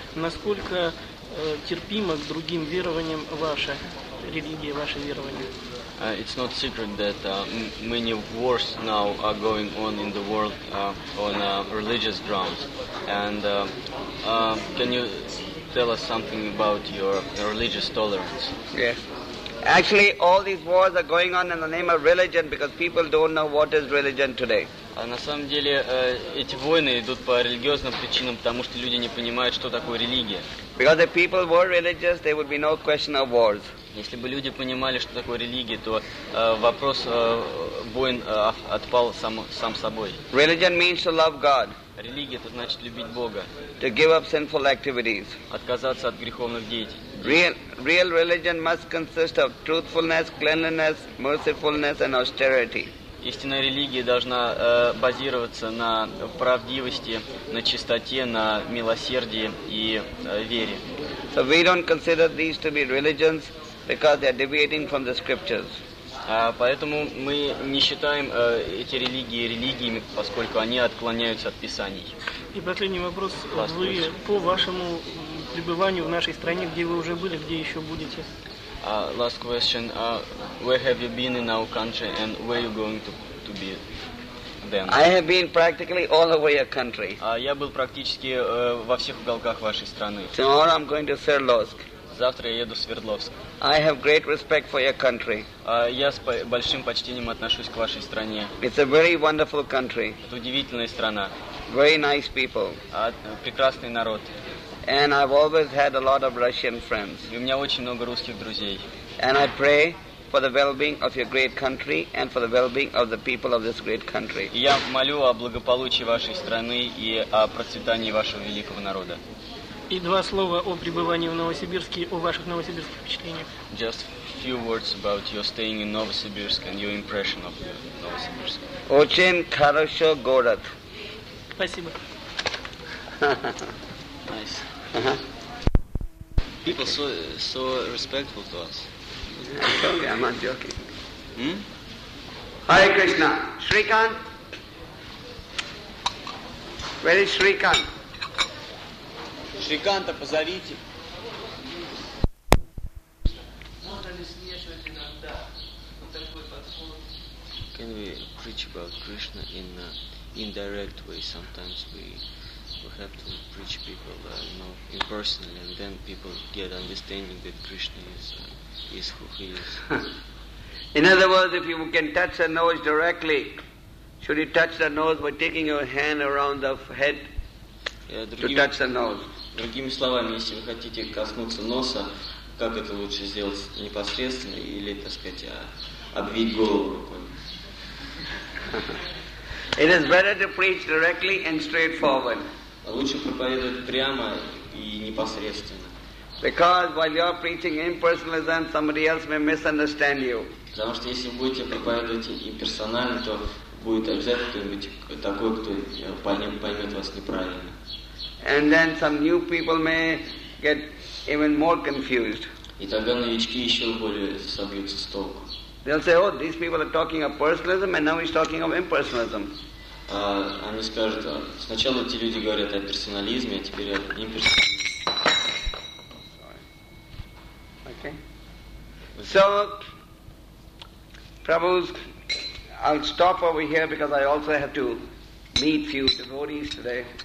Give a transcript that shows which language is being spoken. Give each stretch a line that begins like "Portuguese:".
Russian: Насколько терпимо к другим верованиям ваша религия, ваше верование?
English: It's not secret that many wars now are going on in the world on religious grounds. And can you tell us something about your religious tolerance? Yes. Actually, all these wars are going on in the name of religion because people don't know what is religion today.
Russian: На самом деле, эти войны идут по религиозным причинам, потому что люди не понимают, что такое религия.
English: Because if people were religious, there would be no question of wars.
Russian: Если бы люди понимали, что такое религия, то вопрос войн отпал сам собой.
English: Religion means to love God.
Russian: Религия – это значит любить Бога.
English: To give up sinful activities.
Russian: Отказаться от греховных деятельностей.
English: Real religion must consist of truthfulness, cleanliness, mercifulness and austerity.
Russian: Истинная религия должна базироваться на правдивости, на чистоте, на милосердии и вере.
English: So we don't consider these to be religions because they are deviating from the scriptures.
Russian: Поэтому мы не считаем эти религии религиями, поскольку они отклоняются от Писаний. И последний вопрос. Вы по вашему пребыванию в нашей стране, где вы уже были, где еще будете?
English: Last question. Where have you been in our country and where you going to be then? I have been practically all over your country.
Russian: Я был практически во всех уголках вашей страны.
English: Tomorrow I'm going to Sverdlovsk.
Russian: Завтра я еду в Свердловск.
English: I have great respect for your country.
Russian: Я с большим почтением отношусь к вашей стране.
English: It's a very wonderful country.
Russian: Это удивительная страна.
English: Very nice people.
Russian: Прекрасный народ.
English: And I've always had a lot of Russian friends.
Russian: У меня очень много русских друзей.
English: And I pray for the well-being of your great country and for the well-being of the people of this great country.
Russian: Я молю о благополучии вашей страны и о процветании вашего великого народа. И два слова о пребывании в Новосибирске, о ваших новосибирских впечатлениях.
English: Just few words about your staying in Novosibirsk and your impression of Novosibirsk.
Russian: Очень хорошо город. Спасибо.
English: Nice. Uh-huh. People so respectful to us. Okay, I'm not joking. Hare Krishna. Shrikant? Where is Shrikant?
Russian: Shrikanta, позовите.
English: Can we preach about Krishna in an indirect way? Sometimes we have to preach people, you know, impersonally, and then people get understanding that Krishna is who he is. In other words, if you can touch the nose directly, should you touch the nose by taking your hand around the head to touch the nose?
Russian: Другими словами, если вы хотите коснуться носа, как это лучше сделать непосредственно или, так сказать, обвить голову рукой?
English: It is better to preach directly and straightforward.
Russian: Лучше проповедовать прямо и непосредственно.
English: Because while you are preaching impersonalism, somebody else may misunderstand you.
Russian: Потому что если вы будете проповедовать имперсонально, то будет обязательно кто-нибудь такой, кто поймет вас неправильно.
English: And then some new people may get even more confused.
Russian: И тогда новички еще более собьются с толку.
English: They'll say, oh, these people are talking of personalism, and now he's talking of impersonalism.
Russian: Они скажут, сначала эти люди говорят о персонализме, а теперь о имперсонализме.
English: Okay. So, Prabhu's, I'll stop over here because I also have to meet few devotees today.